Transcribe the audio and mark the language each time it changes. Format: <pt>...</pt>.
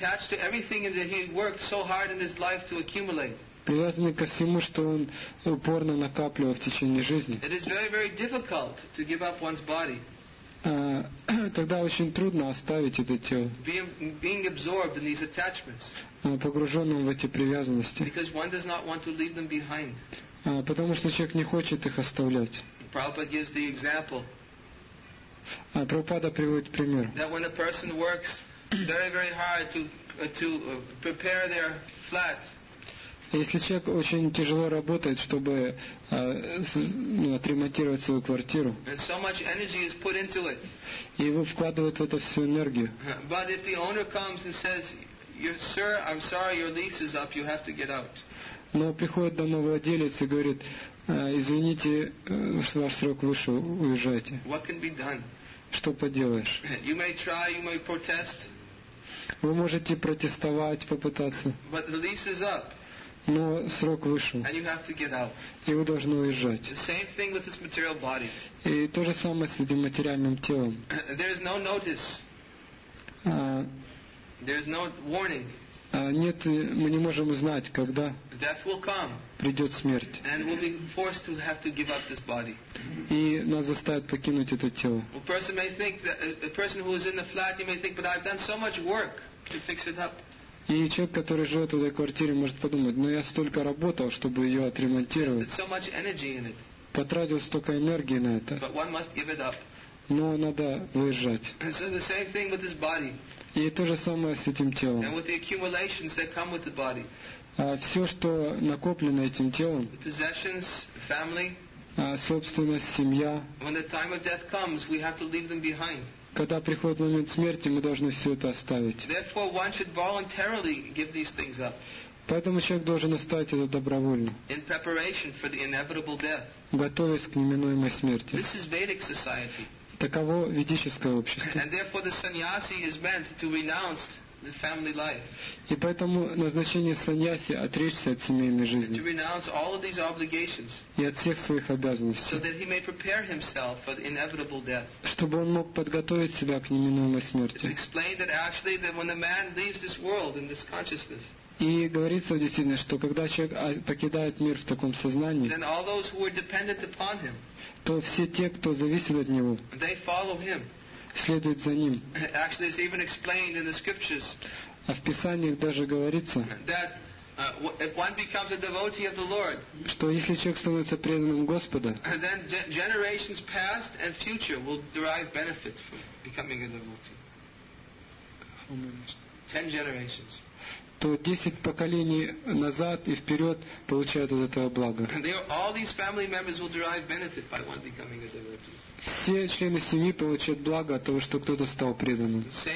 <en>attached to everything that he worked so hard in his life to accumulate,</en> <ru>привязанный ко всему, что он упорно накапливал в течение жизни,</ru> <en>it is very, very difficult to give up one's body.</en> <ru>Тогда очень трудно оставить это тело,</ru> <en>being absorbed in these attachments,</en> <ru>погруженным в эти привязанности,</ru> <en>because one does not want to leave them behind.</en> <ru>Потому что человек не хочет их оставлять.</ru> <en>Prabhupada gives the example.</en> <ru>Прабхупада приводит пример.</ru> <en>That when a person works very, very hard to prepare their flat.</en> <ru>Если человек очень тяжело работает, чтобы отремонтировать свою квартиру,</ru> <en>and so much energy is put into it,</en> <ru>и его вкладывают в это всю энергию.</ru> <en>But if the owner comes and says, "Sir, I'm sorry, your lease is up. You have to get out."</en> <ru>Но приходит домовладелец и говорит, извините, ваш срок вышел, уезжайте.</ru> <en>What can be done?</en> <ru>Что поделаешь?</ru> <en>You may try, you may protest.</en> <ru>Вы можете протестовать, попытаться.</ru> <en>But the lease is up.</en> <ru>Но срок вышел.</ru> <en>And you have to get out.</en> <ru>И вы должны уезжать.</ru> <en>The same thing with this material body.</en> <ru>И то же самое с этим материальным телом.</ru> <en>There is no notice. There is no warning.</en> <ru>Нет, мы не можем узнать, когда придет смерть.</ru> <en>And we'll be forced to have to give up this body.</en> <ru>И нас заставят покинуть это тело.</ru> <en>A person may think that, a person who is in the flat, you may think, but I've done so much work to fix it up.</en> <ru>И человек, который живет в этой квартире, может подумать, но я столько работал, чтобы ее отремонтировать.</ru> <en>So much energy in it.</en> <ru>Потратил столько энергии на это.</ru> <en>But one must give it up.</en> <ru>Но надо выезжать.</ru> <en>And so the same thing with this body.</en> <ru>И то же самое с этим телом.</ru> <en>And with the accumulations that come with the body.</en> <ru>Все, что накоплено этим телом,</ru> <en>the possessions, family,</en> <ru>собственность, семья,</ru> <en>when the time of death comes, we have to leave them behind.</en> <ru>Когда приходит момент смерти, мы должны все это оставить.</ru> <en>Therefore, one should voluntarily give these things up.</en> <ru>Поэтому человек должен оставить это добровольно,</ru> <en>in preparation for the inevitable death.</en> <ru>Готовясь к неминуемой смерти.</ru> <en>This is Vedic society.</en> <ru>Таково ведическое общество.</ru> <en>And therefore, the sannyasi is meant to renounce the family life.</en> <ru>И поэтому назначение саньяси – отречься от семейной жизни.</ru> <en>To renounce all of these obligations.</en> <ru>И от всех своих обязанностей.</ru> <en>So that he may prepare himself for the inevitable death.</en> <ru>Чтобы он мог подготовить себя к неминуемой смерти.</ru> <en>It's explained that actually that when a man leaves this world in this consciousness.</en> <ru>И говорится действительно, что когда человек покидает мир в таком сознании,</ru> <en>then all those who are dependent upon him,</en> <ru>то все те, кто зависит от него,</ru> <en>they follow him.</en> <ru>Следуют за ним.</ru> <en>Actually, it's even explained in the scriptures,</en> <ru>а в Писаниях даже говорится,</ru> <en>that, if one becomes a devotee of the Lord,</en> <ru>что если человек становится преданным Господа,</ru> <en>then generations past and future will derive benefit from becoming a devotee. 10 generations.</en> <ru>То 10 поколений назад и вперед получают от этого благо. Все члены семьи получают благо от того, что кто-то стал преданным.</ru>